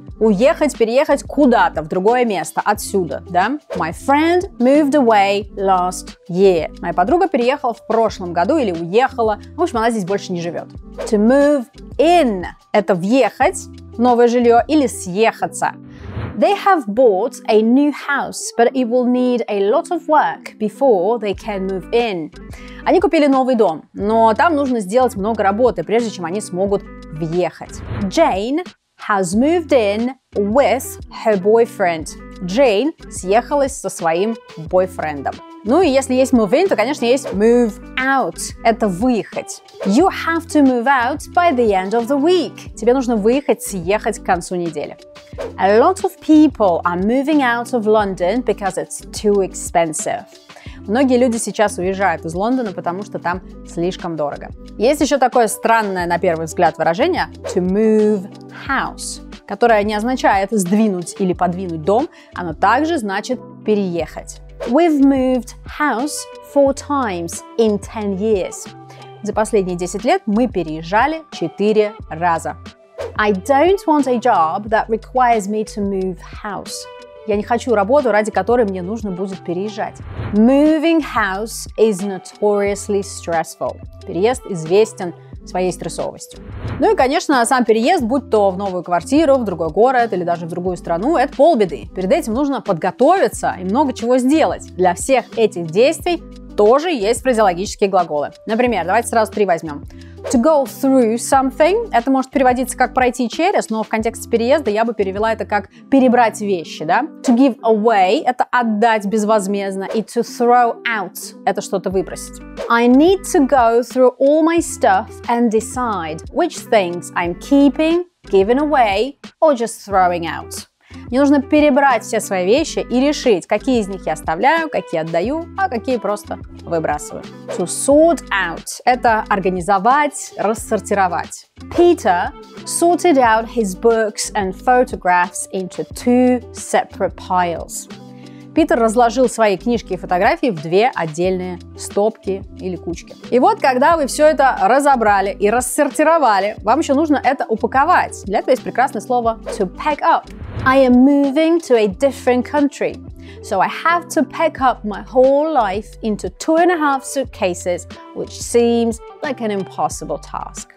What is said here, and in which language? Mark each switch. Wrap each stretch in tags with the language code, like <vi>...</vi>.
<ru>Уехать, переехать куда-то, в другое место, отсюда, да?</ru> <en>My friend moved away last year.</en> <ru>Моя подруга переехала в прошлом году или уехала. В общем, она здесь больше не живет.</ru> <en>To move in.</en> <ru>Это въехать в новое жилье или съехаться.</ru> <en>They have bought a new house, but it will need a lot of work before they can move in.</en> <ru>Они купили новый дом, но там нужно сделать много работы, прежде чем они смогут въехать.</ru> <en>Jane has moved in with her boyfriend.</en> <ru>Jane съехалась со своим бойфрендом. Ну и если есть move in, то, конечно, есть move out. Это выехать.</ru> <en>You have to move out by the end of the week.</en> <ru>Тебе нужно выехать, съехать к концу недели.</ru> <en>A lot of people are moving out of London because it's too expensive.</en> <ru>Многие люди сейчас уезжают из Лондона, потому что там слишком дорого. Есть еще такое странное на первый взгляд выражение to move house, которое не означает сдвинуть или подвинуть дом, оно также значит переехать.</ru> <en>We've moved house 4 times in 10 years.</en> <ru>За последние 10 лет мы переезжали 4 раза.</ru> <en>I don't want a job that requires me to move house.</en> <ru>Я не хочу работу, ради которой мне нужно будет переезжать.</ru> <en>Moving house is notoriously stressful.</en> <ru>Переезд известен своей стрессовостью. Ну и, конечно, сам переезд, будь то в новую квартиру, в другой город или даже в другую страну, это полбеды. Перед этим нужно подготовиться и много чего сделать. Для всех этих действий тоже есть фразеологические глаголы. Например, давайте сразу 3 возьмем.</ru> <en>To go through something.</en> <ru>Это может переводиться как пройти через, но в контексте переезда я бы перевела это как перебрать вещи, да?</ru> <en>To give away.</en> <ru>Это отдать безвозмездно. И to throw out. Это что-то выбросить.</ru> <en>I need to go through all my stuff and decide which things I'm keeping, giving away, or just throwing out.</en> <ru>Мне нужно перебрать все свои вещи и решить, какие из них я оставляю, какие отдаю, а какие просто выбрасываю. To sort out – это организовать, рассортировать.</ru> <en>Peter sorted out his books and photographs into 2 separate piles.</en> <ru>Питер разложил свои книжки и фотографии в 2 отдельные стопки или кучки. И вот, когда вы все это разобрали и рассортировали, вам еще нужно это упаковать. Для этого есть прекрасное слово</ru> <en>to pack up. I am moving to a different country, so I have to pack up my whole life into 2.5 suitcases, which seems like an impossible task.</en>